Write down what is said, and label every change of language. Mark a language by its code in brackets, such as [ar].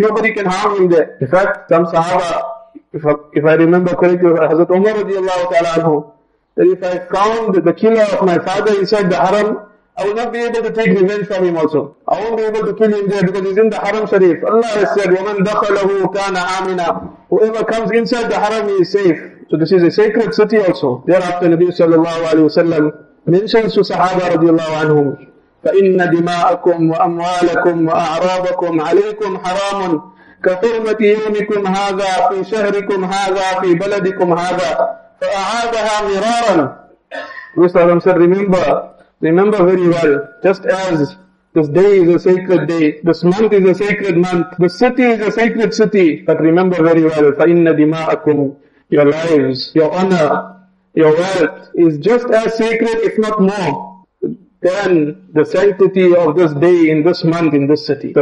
[en] Nobody can harm him there. In fact, some Sahaba, if I remember correctly, Hazrat Umar radiallahu ta'ala anhu, that if I found the killer of my father inside the Haram, I will not be able to take revenge from him also. I won't be able to kill him there because he's in the Haram Sharif. Allah has said, [ar] وَمَنْ دَخَلَهُ كَانَ آمِنًا, [en] whoever comes inside the Haram, he is safe. So this is a sacred city also. [ar] Thereafter, Nabi sallallahu alayhi wa sallam mentions to Sahaba radiallahu anhum, فَإِنَّ دِمَاءَكُمْ وَأَمْوَالَكُمْ وَأَعْرَابَكُمْ عَلَيْكُمْ حَرَامٌ كَحُرْمَةِ يَوْمِكُمْ هَذَا فِي شَهْرِكُمْ هَذَا فِي بَلَدِكُمْ هَذَا فَأَعَادَهَا مِرَارًا. [en] Nabi sallallahu alayhi wa sallam said, remember very well, just as this day is a sacred day, this month is a sacred month, this city is a sacred city, but remember very well, [ar] فَإِنَّ دِمَاءَكُمْ, [en] your lives, your honor, your wealth is just as sacred, if not more, than the sanctity of this day, in this month, in this city.